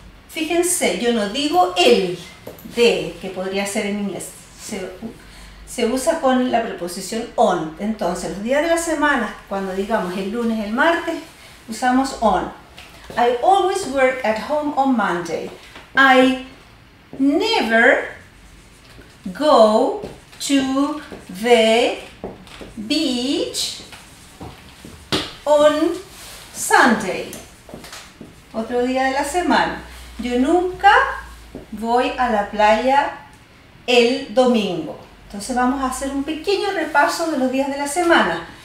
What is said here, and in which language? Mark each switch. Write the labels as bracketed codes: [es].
[es] Fíjense, yo no digo el de, que podría ser en inglés. Se usa con la preposición on. Entonces, los días de la semana, cuando digamos el lunes, el martes, usamos on. [en] I always work at home on Monday. I never go to the beach on Sunday. [es] Otro día de la semana. Yo nunca voy a la playa el domingo. Entonces vamos a hacer un pequeño repaso de los días de la semana.